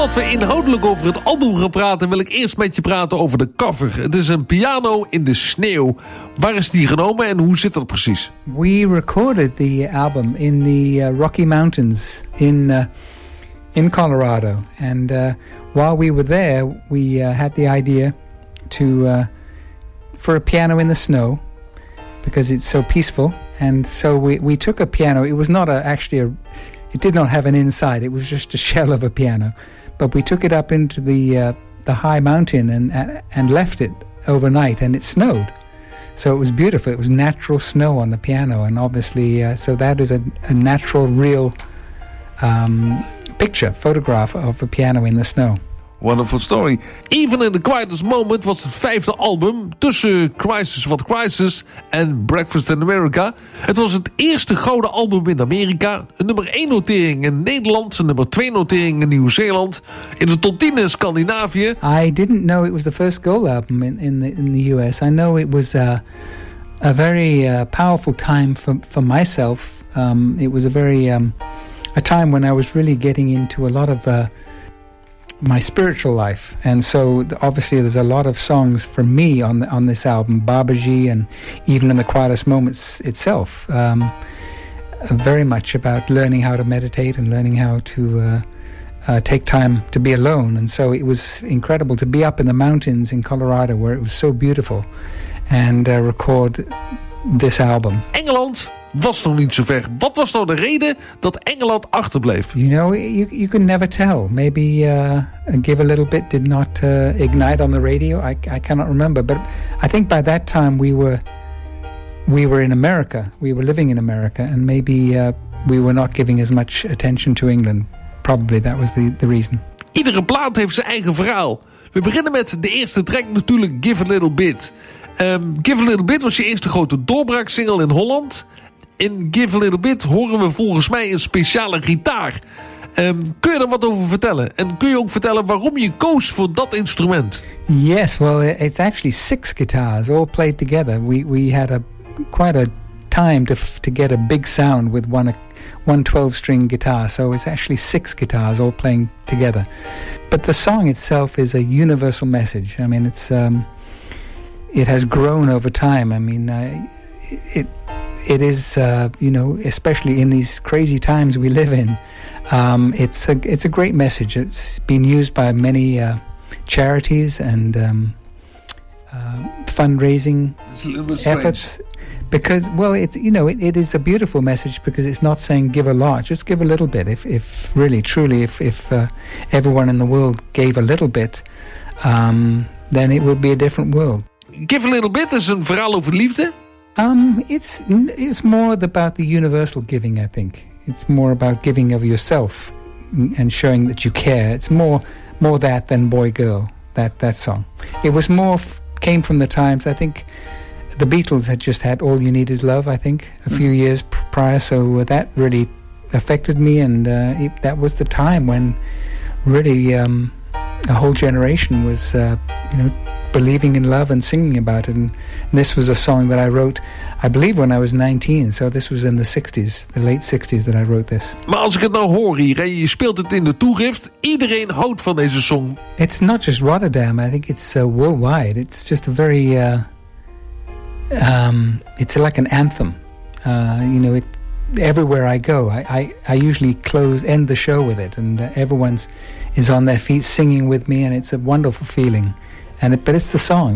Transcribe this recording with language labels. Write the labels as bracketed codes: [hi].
[nl] Inhoudelijk over het album gaan praten, wil ik eerst met je praten over de cover. Het is een piano in de sneeuw. Waar is die genomen en hoe zit dat precies? [en] We recorded the album in the Rocky Mountains in Colorado. And while we were there, we had the idea to for a piano in the snow, because it's so peaceful. And so we took a piano. It was not it did not have an inside. It was just a shell of a piano. But we took it up into the high mountain and left it overnight, and it snowed. So it was beautiful. It was natural snow on the piano, and obviously, so that is a natural, real picture, photograph of a piano in the snow. Wonderful story. [nl] Even in the quietest moment was het vijfde album tussen Crisis What Crisis en Breakfast in America. Het was het eerste gouden album in Amerika. Een nummer 1 notering in Nederland, een nummer 2 notering in Nieuw-Zeeland. In de top 10 in Scandinavië. [en] I didn't know it was the first gold album in the US. I know it was a very powerful time for myself. It was a very a time when I was really getting into a lot of my spiritual life, and so obviously there's a lot of songs for me on this album, Babaji, and even in the Quietest Moments itself, very much about learning how to meditate and learning how to take time to be alone. And so it was incredible to be up in the mountains in Colorado, where it was so beautiful, and record this album. [nl] England was nog niet zo ver. Wat was nou de reden dat Engeland achterbleef? [en] You know, you can never tell. Maybe Give a Little Bit did not ignite on the radio. I cannot remember. But I think by that time we were in America. We were living in America. And maybe we were not giving as much attention to England. Probably that was the reason. [nl] Iedere plaat heeft zijn eigen verhaal. We beginnen met de eerste track natuurlijk, Give a Little Bit. Give a Little Bit was je eerste grote doorbraaksingle in Holland. In Give a Little Bit horen we volgens mij een speciale gitaar. Kun je daar wat over vertellen? En kun je ook vertellen waarom je koos voor dat instrument? [en] Yes, well, it's actually 6 guitars all played together. We had quite a time to get a big sound with one 12-string guitar, so it's actually six guitars all playing together. But the song itself is a universal message. I mean, it's it has grown over time. I mean, it is, especially in these crazy times we live in, it's a great message. It's been used by many charities and fundraising efforts. Because, well, it is a beautiful message, because it's not saying give a lot, just give a little bit. If everyone in the world gave a little bit, then it would be a different world. [nl] Give a little bit is een verhaal over liefde? [en] It's more about the universal giving, I think. It's more about giving of yourself and showing that you care. It's more that than boy, girl, that song. It was more, came from the times, I think. The Beatles had just had All You Need Is Love, I think, a few years prior, so that really affected me, and that was the time when really a whole generation was believing in love and singing about it. And this was a song that I wrote, I believe, when I was 19, so this was in the 60s, the late 60s that I wrote this. [nl] Maar als ik het nou hoor hier, en je speelt het in de toegift, iedereen houdt van deze song. [en] It's not just Rotterdam, I think it's worldwide. It's just a very... it's like an anthem. Everywhere I go, I usually end the show with it, and everyone's is on their feet singing with me, and it's a wonderful feeling. But it's the song.